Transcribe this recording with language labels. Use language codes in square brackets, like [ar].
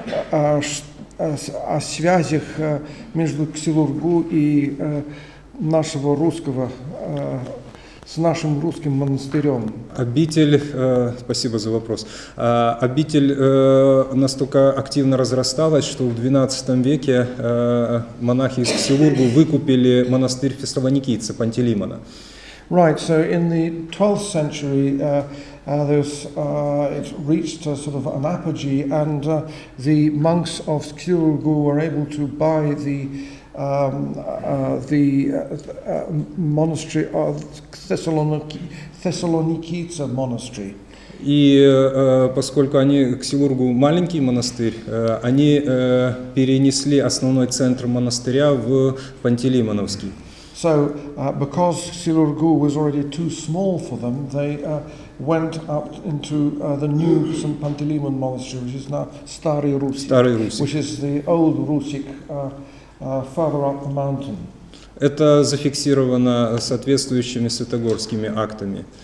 [ru] О связях между Ксилургу и нашего русского, с нашим русским монастырем? Спасибо за вопрос. Обитель настолько активно разрасталась, что в XII веке монахи из Ксилургу выкупили монастырь Фессалоникийца Пантелеймона. [en] Right, so in the 12th century it reached a sort of an apogee, and the monks of Ksilurgu were able to buy the monastery of Thessalonikitsa monastery. [ru] И поскольку они Ксилургу маленький монастырь, они перенесли основной центр монастыря в Пантелеймоновский. [en] So, because Ksilurgu was already too small for them, they went up into the new St. Pantelimon monastery, which is now Starый Русик, which is the old Rusik farther up the mountain. [ru] Это зафиксировано соответствующими святогорскими актами.